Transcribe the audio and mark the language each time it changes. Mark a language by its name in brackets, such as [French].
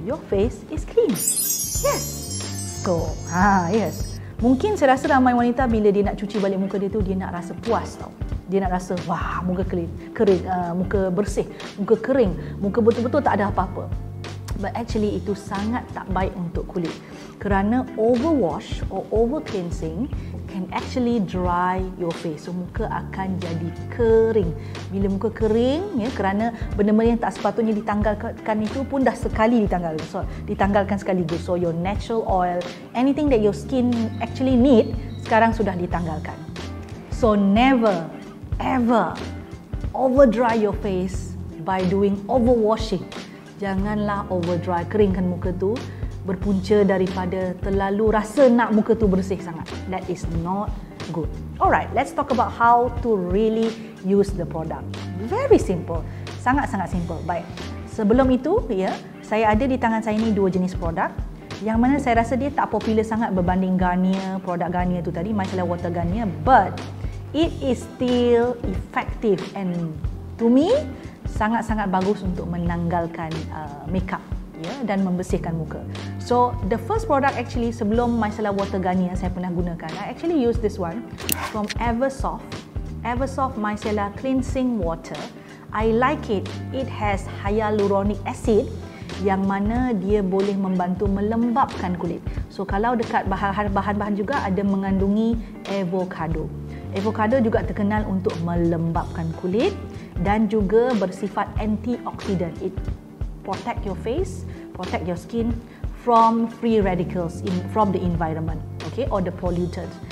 [English] Your face is clean. Yes. So, yes. [Malay] Mungkin saya rasa ramai wanita bila dia nak cuci balik muka dia tu, dia nak rasa puas tau. Dia nak rasa wah, muka kering, muka bersih, muka kering, muka betul-betul tak ada apa-apa. [English] But actually [Malay] itu sangat tak baik untuk kulit. [English] Kerana overwash or over cleansing can actually dry your face. [Malay] So muka akan jadi kering. Bila muka kering, ya, kerana benda-benda yang tak sepatutnya ditanggalkan itu pun dah sekali ditanggalkan. So ditanggalkan sekaligus. [English] So your natural oil, anything that your skin actually need, [Malay] sekarang sudah ditanggalkan. [English] So never ever over dry your face by doing overwashing. [Malay] Janganlah over dry, keringkan muka tu. Berpunca daripada terlalu rasa nak muka tu bersih sangat. [English] That is not good. Alright, let's talk about how to really use the product. Very simple. [Malay] Sangat-sangat simple. Baik. Sebelum itu, ya, saya ada di tangan saya ni dua jenis produk. Yang mana saya rasa dia tak popular sangat berbanding Garnier, produk Garnier tu tadi, micellar water Garnier, [English] but it is still effective and to me [Malay] sangat-sangat bagus untuk menanggalkan makeup. Ya, dan membersihkan muka. [English] So the first product actually [Malay] sebelum micellar water Garnier yang saya pernah gunakan, [English] I actually use this one from Eversoft micellar cleansing water. I like it. It has hyaluronic acid [Malay] yang mana dia boleh membantu melembapkan kulit. So kalau dekat bahan-bahan juga ada mengandungi avocado. Avocado juga terkenal untuk melembapkan kulit dan juga bersifat antioxidant. [English] It protect your face, protect your skin from free radicals from the environment, okay, or the polluted.